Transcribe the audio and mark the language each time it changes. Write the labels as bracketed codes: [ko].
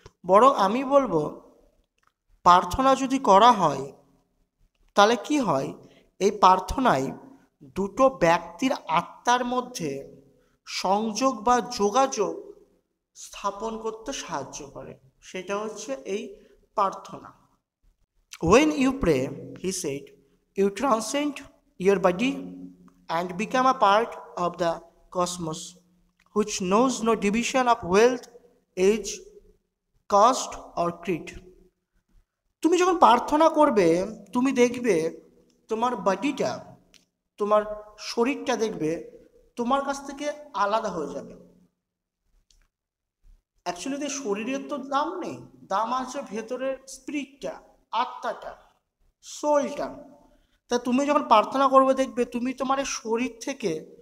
[bn] বরং আমি বলবো, প্রার্থনা যদি করা হয় তাহলে কি হয়, এই প্রার্থনায় দুটো ব্যক্তির আত্মার মধ্যে সংযোগ বা যোগাযোগ স্থাপন করতে সাহায্য করে, সেটা হচ্ছে এই প্রার্থনা। [en] When you pray, he said, you transcend your body and become a part of the cosmos, which knows no division of wealth, age, caste or creed. [bn] তুমি যখন প্রার্থনা করবে, তুমি দেখবে তোমার বডিটা, তোমার শরীরটা দেখবে তোমার কাছ থেকে আলাদা হয়ে যাবে। অ্যাকচুয়ালি তো শরীরের তো দাম নেই, দাম আছে ভেতরের স্পিরিটটা, আত্মাটা, সোলটা। তা তুমি যখন প্রার্থনা করবে দেখবে তুমি তোমার শরীর থেকে